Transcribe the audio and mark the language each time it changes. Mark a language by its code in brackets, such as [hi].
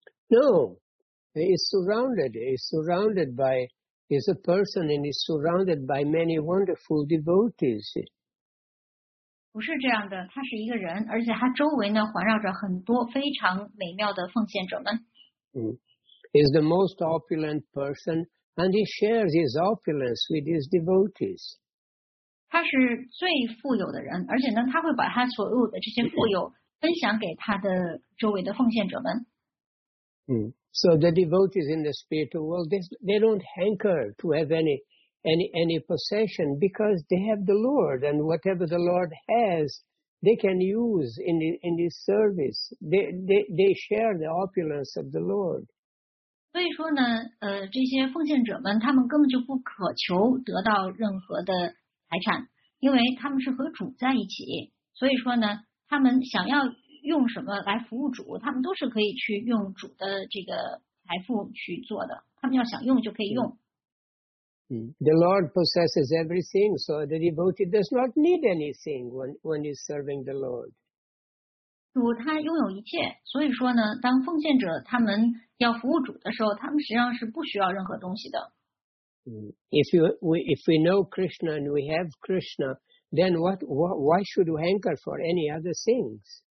[en] No, he is surrounded. He is surrounded by, he is a person and he is surrounded by many wonderful devotees. [zh] 不是这样的，他是一个人，而且他周围呢环绕着很多非常美妙的奉献者们。 [en] He is the most opulent person and he shares his opulence with his devotees. [zh] 他是最富有的人，而且呢他会把他所有的这些富有分享给他的周围的奉献者们。 [en] So the devotees in the spiritual world, they don't hanker to have any possession because they have the Lord, and whatever the Lord has, they can use in His service. They share the opulence of the Lord. [zh] 所以说呢，这些奉献者们，他们根本就不渴求得到任何的财产，因为他们是和主在一起。所以说呢，他们想要。用什么来服务主，他们都是可以去用主的这个财富去做的，他们要想用就可以用。 [en] The Lord possesses everything, so the devotee does not need anything when he's serving the Lord. [zh] 主他拥有一切，所以说呢，当奉献者他们要服务主的时候，他们实际上是不需要任何东西的。 [en] If we know Krishna and we have Krishna, then why should we hanker for any other things?